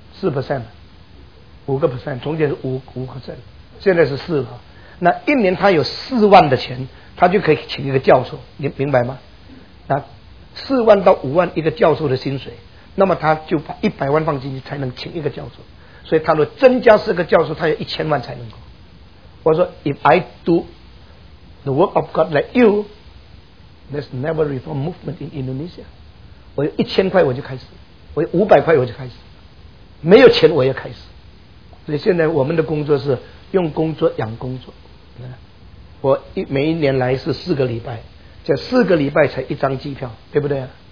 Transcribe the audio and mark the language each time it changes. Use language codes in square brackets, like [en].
[zh] 4%， 5%， 从前是5%，现在是四了。那一年他有40000的钱，他就可以请一个教授，你明白吗？那40000到50000一个教授的薪水，那么他就把100万放进去才能请一个教授，所以他说增加四个教授，他有1000万才能够。我说 [en] If I do the work of God like you, there's never reform movement in Indonesia。 [zh] 我有1000块我就开始，我有500块我就开始，没有钱我也开始。所以现在我们的工作是用工作养工作。我每一年来是4个礼拜，这4个礼拜才1张机票，对不对？